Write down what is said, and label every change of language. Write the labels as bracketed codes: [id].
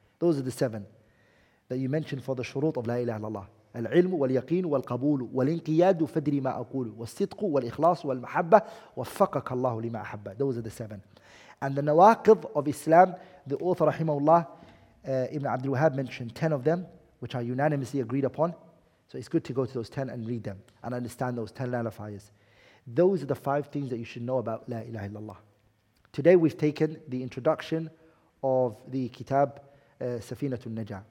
[en] Those are the seven that you mentioned for the shurut of La ilaha illallah. [ar] العلم واليقين والقبول والانقياد فدري ما أقول والصدق والإخلاص والمحبة وفقك الله لما أحبه. [en] Those are the seven. And the nawaqidh of Islam, the author rahimahullah, Ibn Abdul Wahhab mentioned 10 of them, which are unanimously agreed upon. So it's good to go to those 10 and read them and understand those 10 nullifiers. Those are the five things that you should know about La ilaha illallah. Today we've taken the introduction of the kitab Safinat al-Naja.